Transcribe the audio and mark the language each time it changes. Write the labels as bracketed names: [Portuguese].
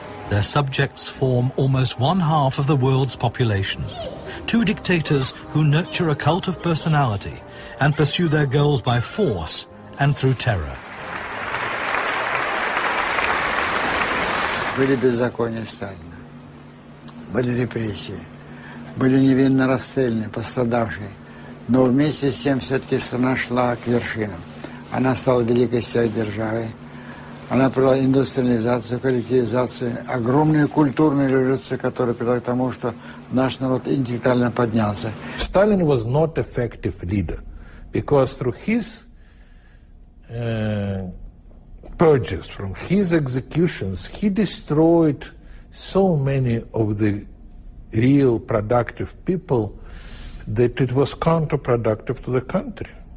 [English] Their subjects form almost one half of the world's population. Two dictators who nurture a cult of personality and pursue their goals by force and through terror. [Russian] Были беззакония Сталина, были репрессии, были невинно расстреляны, пострадавшие. Но вместе с тем все-таки страна шла к вершинам. Она стала великой силой державы. Она провела индустриализацию, коллективизацию, огромную культурную революцию, которая привела к тому, что наш народ интеллектуально поднялся. [English] Сталин was not effective leader, because through his purges, from his executions, he destroyed so many of the real productive people that it was counterproductive to the country.